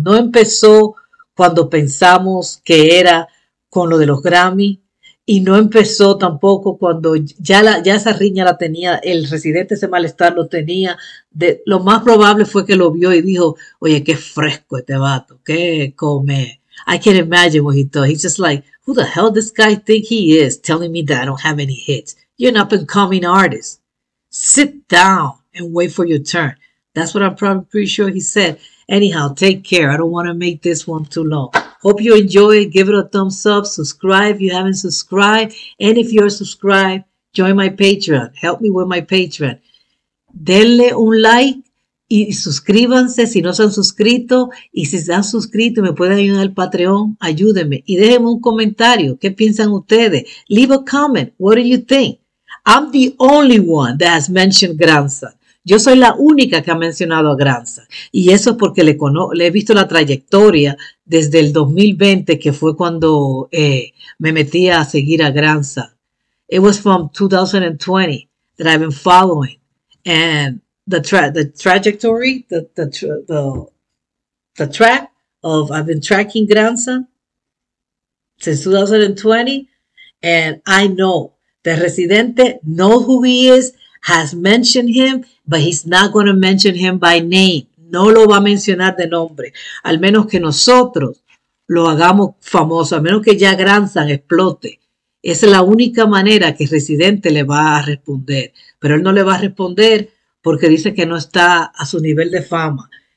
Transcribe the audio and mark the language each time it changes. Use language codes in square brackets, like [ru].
[es] No empezó cuando pensamos que era con lo de los Grammy y no empezó tampoco cuando ya esa riña la tenía, el Residente, ese malestar lo tenía. Lo más probable fue que lo vio y dijo, oye, qué fresco este vato, qué come. [en] I can imagine what he thought. He's just like, who the hell this guy think he is telling me that I don't have any hits? You're an up-and-coming artist. Sit down and wait for your turn. That's what I'm probably pretty sure he said. Anyhow, take care. I don't want to make this one too long. Hope you enjoy it. Give it a thumbs up. Subscribe if you haven't subscribed. And if you're subscribed, join my Patreon. Help me with my Patreon. [es] Denle un like. Y suscríbanse si no se han suscrito. Y si se han suscrito y me pueden ayudar al Patreon, ayúdenme. Y déjenme un comentario. ¿Qué piensan ustedes? [en] Leave a comment. What do you think? I'm the only one that has mentioned Grandson. [es] Yo soy la única que ha mencionado a Grandson. Y eso es porque le he visto la trayectoria desde el 2020, que fue cuando me metí a seguir a Grandson. [en] It was from 2020 that I've been following. And... The track of I've been tracking Grandson since 2020, and I know that Residente knows who he is. has mentioned him, but he's not going to mention him by name. [es] No lo va a mencionar de nombre, al menos que nosotros lo hagamos famoso, al menos que ya Grandson explote. Esa es la única manera que el residente le va a responder. Pero él no le va a responder porque dice que no está a su nivel de fama.